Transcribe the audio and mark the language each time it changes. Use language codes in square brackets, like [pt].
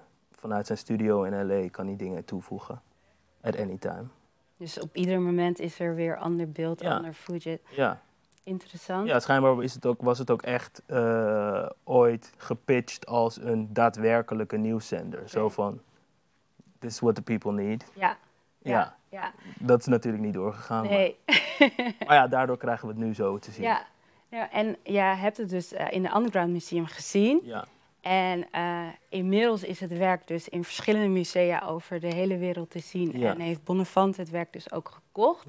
[nl] vanuit zijn studio in L.A. kan hij dingen toevoegen. [en] At any time. [nl] Dus op ieder moment is er weer ander beeld, ja. Ander footage. Ja. Interessant. Ja, schijnbaar was het ook echt ooit gepitcht als een daadwerkelijke nieuwszender. Okay. Zo van, [en] this is what the people need. [nl] Ja. Ja. Ja. Ja. Dat is natuurlijk niet doorgegaan. Nee. Maar ja, daardoor krijgen we het nu zo te zien. Ja. Ja, en je hebt het dus in de Underground Museum gezien. Ja. En inmiddels is het werk dus in verschillende musea over de hele wereld te zien. Ja. En heeft Bonnefant het werk dus ook gekocht.